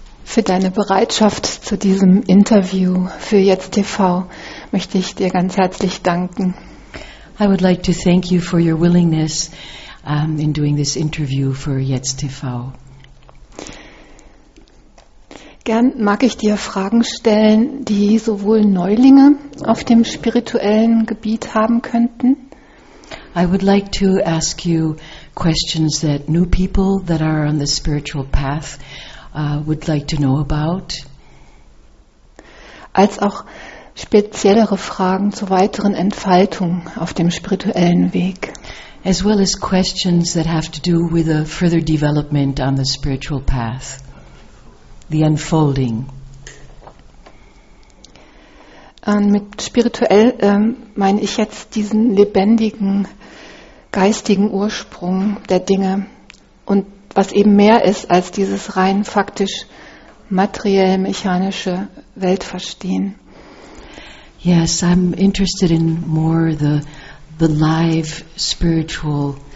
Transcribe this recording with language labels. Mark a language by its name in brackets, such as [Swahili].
[German] Für deine Bereitschaft zu diesem Interview für Jetzt TV möchte ich dir ganz herzlich danken. [English] I would like to thank you for your willingness in doing this interview for Jetzt TV. [German] Gern mag ich dir Fragen stellen, die sowohl Neulinge auf dem spirituellen Gebiet haben könnten. [English] I would like to ask you questions that new people that are on the spiritual path would like to know about. [German] Als auch speziellere Fragen zur weiteren Entfaltung auf dem spirituellen Weg. [English] As well as questions that have to do with a further development on the spiritual path. The unfolding. [German] Mit spirituell meine ich jetzt diesen lebendigen geistigen Ursprung der Dinge und was eben mehr ist als dieses rein faktisch materiell mechanische Weltverstehen. [English] Yes, I'm interested in more the live spiritual